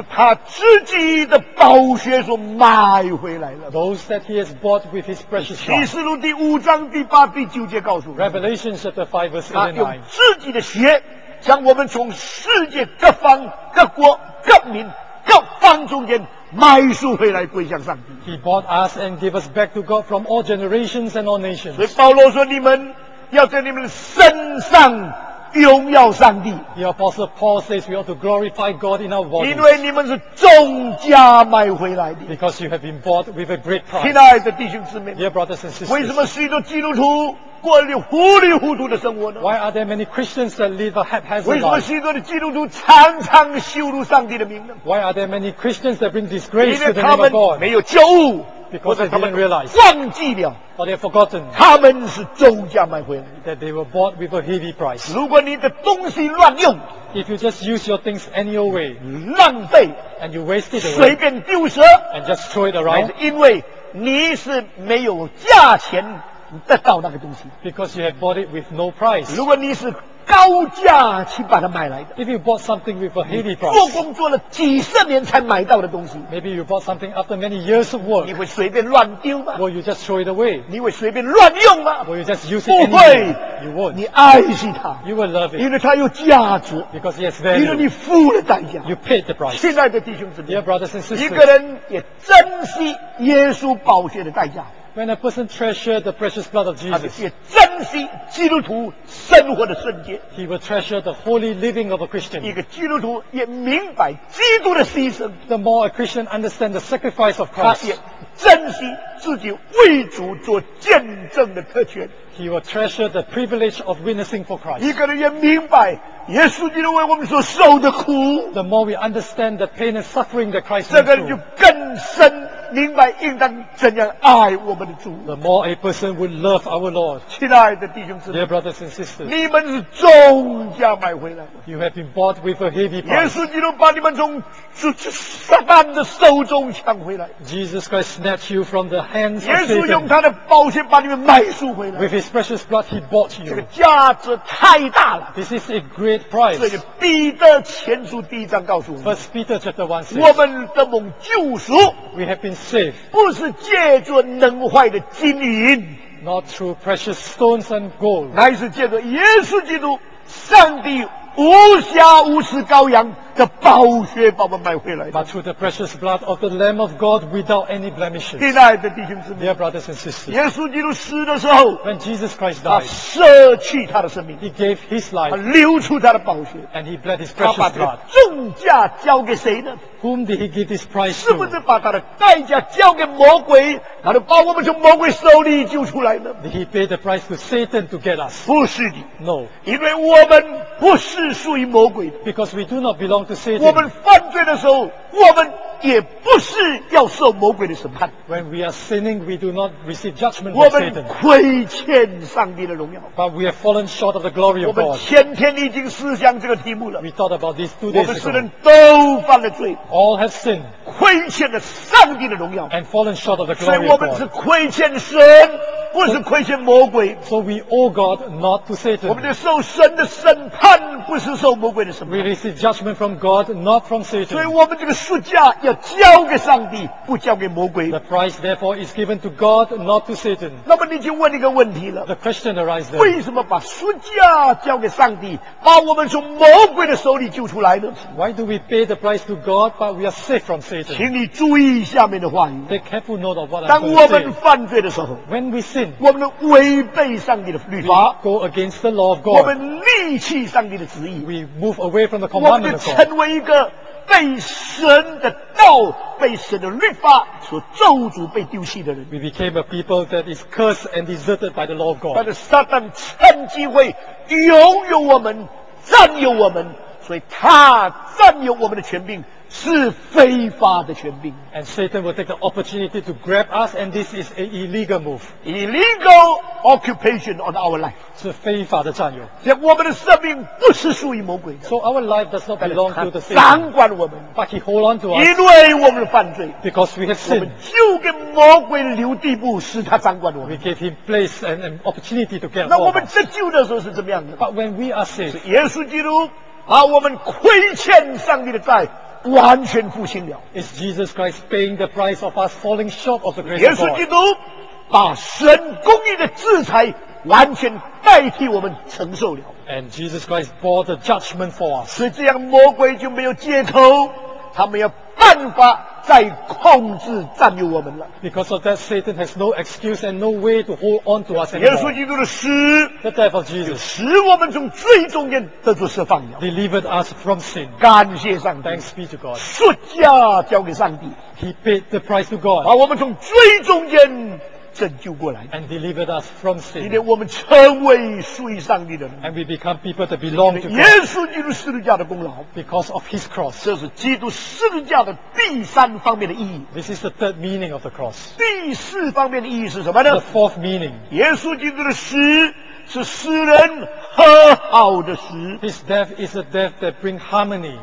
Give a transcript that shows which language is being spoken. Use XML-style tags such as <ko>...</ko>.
<zh>就是他自己的宝血所买回来了。</zh> <en>Those that he has bought with his precious blood.</en> <zh>启示录第五章第八第九节告诉我们。</zh> <en>Revelation chapter 5 verse 8 and 9.</en> <zh>他用自己的血将我们从世界各方、各国、各民、各方中间买赎回来，归向上帝。</zh> <en>He bought us and gave us back to God from all generations and all nations.</en> <zh>所以保罗说：“你们要在你们身上荣耀上帝。”</zh> <en>The apostle Paul says we ought to glorify God in our bodies.</en> <zh>因为你们是重价买回来的。</zh> <en>Because you have been bought with a great price.</en> <zh>亲爱的弟兄姊妹</zh> <en>，Dear brothers and sisters，</en> <zh>为什么许多基督徒？过了糊里糊涂的生活呢</zh> <en>？Why are there many Christians that live a haphazard life？</en> <zh>为什么许多的基督徒常常羞辱上帝的名呢</zh> <en>？Why are there many Christians that bring disgrace to the name of God？</en> <zh>没有觉悟</zh> <en>，because they didn't realize，</en> <zh>忘记了</zh> <en>，or they've forgotten，</en> <zh>他们是重价买回来</zh> <en>，that they were bought with a heavy price。</en> <zh>如果你的东西乱用</zh> <en>，if you just use your things any old way，</en> <zh>浪费</zh> <en>，and you waste it away，</en> <zh>随便丢舍</zh> <en>，and just throw it around，</en> <zh>因为你是没有价钱。得到那个东西</zh> <en>，because you have bought it with no price。</en> <zh>如果你是高价去把它买来的</zh> <en>，if you bought something with a heavy price，</en> <zh>做工作了几十年才买到的东西</zh> <en>，maybe you bought something after many years of work，</en> <zh>你会随便乱丢吗</zh> <en>？Will you just throw it away？</en> <zh>你会随便乱用吗</zh> <en>？Will you just use it？</en> <zh>不会</zh> <en>，you won't。</en> <zh>你爱惜它</zh> <en>，you will love it，</en> <zh>因为它有价值</zh> <en>，because it has value，</en> <zh>因为你付了代价</zh> <en>，you paid the price。</en> <zh>亲爱的弟兄姊妹</zh> <en>，dear brothers and sisters，</en> <zh>一个人也珍惜耶稣宝血的代价。</zh> <en>When a person treasures the precious blood of Jesus,</en> <zh>也珍惜基督徒生活的圣洁</zh> <en>he will treasure the holy living of a Christian.</en> <zh>一个基督徒也明白基督的牺牲</zh> <en>the more a Christian understands the sacrifice of Christ,</en> <zh>他也珍惜自己为主做见证的特权</zh> <en>he will treasure the privilege of witnessing for Christ.</en> <zh>一个人也明白耶稣基督为我们所受的苦</zh> <en>the more we understand the pain and suffering that Christ</en> <zh>这个人就更深明白应当怎样爱我们的主。</zh> <en>The more a person would love our Lord，</en> <zh>亲爱的弟兄姊妹</zh> <en>，Dear brothers and sisters，</en> <zh>你们是重价买回来的。</zh> <en>You have been bought with a heavy price。</en> <zh>耶稣基督把你们从撒旦的手中抢回来。</zh> <en>Jesus Christ snatched you from the hands of</en> <zh>Satan。耶稣用他的宝血把你们买赎回来。</zh> <en>With his precious blood he bought you。</en> <zh>这个价值太大了。</zh> <en>This is a great price。</en> <zh>所以彼得前书第一章告诉我们</zh> <en>，First Peter chapter 1 says，</en> <zh>我们的蒙救赎。</zh> <en>We have been saved.</en> <zh>不是借着能坏的金银</zh> <en>，not through precious stones and gold，</en> <zh>乃是借着耶稣基督，上帝无瑕无疵羔羊的宝血把我们买回来。</zh> <en>But through the precious blood of the Lamb of God without any blemishes.</en> <zh>亲爱的弟兄姊妹</zh> <en>，Dear brothers and sisters，</en> <zh>耶稣基督死的时候</zh> <en>，When Jesus Christ died，</en> <zh>他舍弃他的生命</zh> <en>，He gave His life，</en> <zh>他流出他的宝血</zh> <en>，And He bled His precious blood。</en> <zh>他把这重价交给谁呢？</zh> <en>Whom did he give this price to?</en> <zh>是不是把他的代价交给魔鬼，然后把我们从魔鬼手里救出来呢？</zh> <en>Did he pay the price to Satan to get us?</en> <zh>不是的。</zh> <en>No.</en> <zh>因为我们不是属于魔鬼的。</zh> <en>Because we do not belong to Satan.</en> <zh>我们犯罪的时候，我们也不是要受魔鬼的审判。</zh> <en>When we are sinning, we do not receive judgment from Satan.</en> <zh>我们亏欠上帝的荣耀。</zh> <en>But we have fallen short of the glory of God.</en> <zh>我们前天已经思想这个题目了。</zh> <en>We thought about this 2 days ago.</en> <zh>我们世人都犯了罪。</zh> <en>All have sinned.</en> <zh>亏欠了上帝的荣耀。</zh> <en>And fallen short of the glory of God.</en> <zh>所以我们是亏欠神。不是亏欠魔鬼。</zh> <en>So we owe God not to Satan.</en> <zh>我们就受神的审判，不是受魔鬼的审判。</zh> <en>We receive judgment from God, not from Satan.</en> <zh>所以我们这个赎价要交给上帝，不交给魔鬼。</zh> <en>The price therefore is given to God, not to Satan.</en> <zh>那么你就问一个问题了。</zh> <en>The question arises.</en> <zh>为什么把赎价交给上帝，把我们从魔鬼的手里救出来呢？</zh> <en>Why do we pay the price to God, but we are safe from Satan?</en> <zh>请你注意下面的话语。</zh> <en>Take careful note of what I say.</en> <zh>当我们犯罪的时候。</zh> <en>When we sin,</en> <zh>我们违背上帝的律法，</zh> <en>go against the law of God.</en> <zh>我们离弃上帝的旨意，</zh> <en>we move away from the commandment of God.</en> <zh>我们成为一个被神的道、被神的律法所咒诅、被丢弃的人。</zh> <en>We became a people that is cursed and deserted by the law of God.</en> <zh>但是撒旦趁机会拥有我们、占有我们，所以他占有我们的权柄。是非法的权柄。</zh> <en>And Satan will take the opportunity to grab us, and this is an illegal move. Illegal occupation on our life.</en> <zh>是非法的占有。我们的生命不是属于魔鬼的。</zh> <en>So our life does not belong to the Satan.</en> <zh>掌管我们。</zh> <en>But he hold on to us.</en> <zh>因为我们的犯罪。</zh> <en>Because we have sinned.</en> <zh>我们就给魔鬼留地步，使他掌管我们。</zh> <en>We gave him place and an opportunity to get us.</en> <zh>那我们得救的时候是怎么样的？</zh> <en>But when we are saved.</en> <zh>耶稣基督把我们亏欠上帝的债完全付清了。</zh> <en>Is Jesus Christ paying the price of us falling short of the grace of God?</en> <zh>耶稣基督把神公义的制裁完全代替我们承受了。</zh> <en>And Jesus Christ bore the judgment for us.</en> <zh>所以这样魔鬼就没有借口，他没有办法再控制占有我们了。</zh> <en>Because of that, Satan has no excuse and no way to hold on to us anymore.</en> <zh>耶稣基督的死，</zh> <en>the death of Jesus,</en> <zh>使我们从罪中间得到释放了。</zh> <en>Delivered us from sin.</en> <zh>感谢上帝。</zh> <en>Thanks be to God.</en> <zh>赎价交给上帝。</zh> <en>He paid the price to God.</en> <zh>把我们从罪中间拯救过来。</zh> <en>And delivered us from sin.</en> <zh>今天我们成为属于上帝的人。</zh> <en>And we become people that belong to God.</en> <zh>耶稣基督十字架的功劳。</zh> <en>Because of his cross.</en> <zh>这是基督十字架的第三方面的意义。</zh> <en>This is the third meaning of the cross.</en> <zh>第四方面的意义是什么呢？</zh> <en>The fourth meaning.</en> <zh>耶稣基督的死是使人和好的死。</zh> <en>His death is a death that brings harmony.</en>